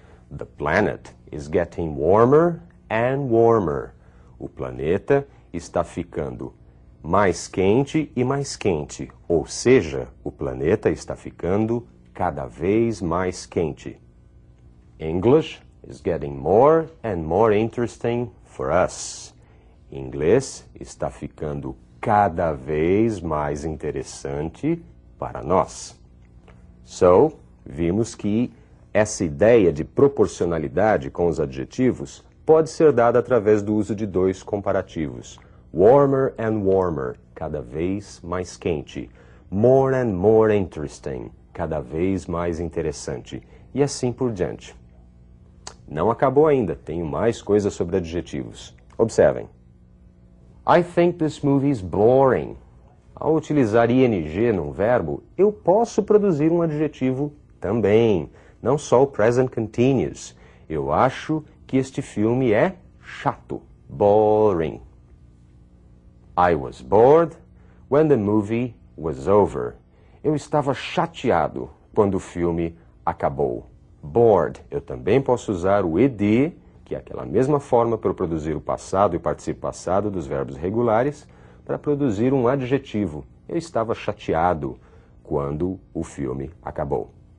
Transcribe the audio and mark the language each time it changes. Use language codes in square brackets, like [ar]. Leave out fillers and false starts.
[en] The planet is getting warmer and warmer. [pt] O planeta está ficando mais quente e mais quente, ou seja, o planeta está ficando cada vez mais quente. [en] English is getting more and more interesting for us. [pt] Inglês está ficando cada vez mais interessante para nós. So, vimos que essa ideia de proporcionalidade com os adjetivos pode ser dada através do uso de dois comparativos. [en] Warmer and warmer, [pt] cada vez mais quente. [en] More and more interesting, [pt] cada vez mais interessante. E assim por diante. Não acabou ainda, tenho mais coisas sobre adjetivos. Observem. [en] I think this movie is boring. [pt] Ao utilizar ing num verbo, eu posso produzir um adjetivo também. Não só o present continuous. Eu acho que este filme é chato. Boring. [en] I was bored when the movie was over. [pt] Eu estava chateado quando o filme acabou. Bored. Eu também posso usar o ed, que é aquela mesma forma para produzir o passado e participo passado dos verbos regulares, para produzir um adjetivo. Eu estava chateado quando o filme acabou.